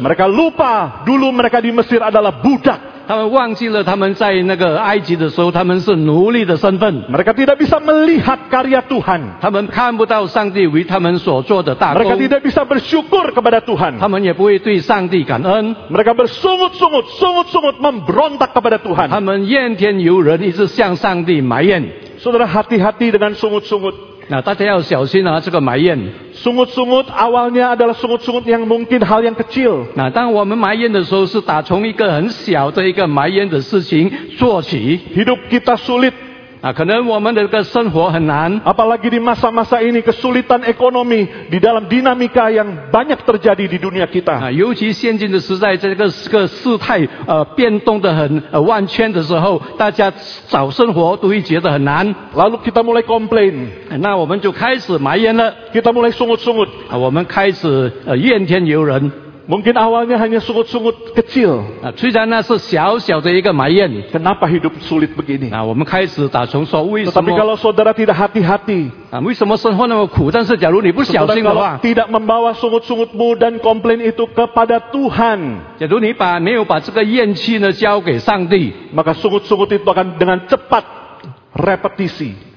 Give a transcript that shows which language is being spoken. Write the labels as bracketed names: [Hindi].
[Indonesian] Mereka lupa dulu mereka di Mesir adalah budak. [Chinese] 他们忘记了他们在那个埃及的时候，他们是奴隶的身份。 [Indonesian] Mereka tidak bisa melihat karya Tuhan. [Chinese] 他们看不到上帝为他们所做的大功。 [Indonesian] Mereka tidak bisa bersyukur kepada Tuhan. [Chinese] 他们也不会对上帝感恩。 [Indonesian] Mereka bersungut-sungut memberontak kepada Tuhan. [Chinese] 他们怨天尤人，一直向上帝埋怨。 [Indonesian] Saudara, hati-hati dengan sungut-sungut. [Chinese] Nah, 大家要小心啊，这个埋怨。 [Indonesian] Sungut-sungut awalnya adalah sungut-sungut yang mungkin hal yang kecil. [Chinese] Nah, 当我们埋怨的时候，是打从一个很小的一个埋怨的事情做起。 [Indonesian] Hidup kita sulit. [Chinese] Nah, 可能我们的生活很难。 [Indonesian] Apalagi di masa-masa ini kesulitan ekonomi di dalam dinamika yang banyak terjadi di dunia kita. [Chinese] Nah, 尤其现今的时代，这个事态变动的很万千的时候，大家找生活都会觉得很难。 [Indonesian] Lalu kita mulai komplain. [Chinese] Nah, 我们就开始埋怨了。 [Indonesian] Kita mulai sungut-sungut. [Chinese] Nah, 我们开始怨天尤人。 [Indonesian] Mungkin awalnya hanya sungut-sungut kecil. [Chinese] Nah, 虽然那是小小的一个埋怨。 [Indonesian] Kenapa hidup sulit begini? [Chinese] Nah, 我们开始打从说为什么。 [Indonesian] Tapi kalau saudara tidak hati-hati. [Chinese] Nah, 为什么生活那么苦?但是假如你不小心的话, [Indonesian] saudara kalau tidak membawa sungut-sungutmu dan komplain itu kepada Tuhan. [Chinese] 假如你没有把这个怨气呢交给上帝, [Indonesian] maka sungut-sungut itu akan dengan cepat repetisi.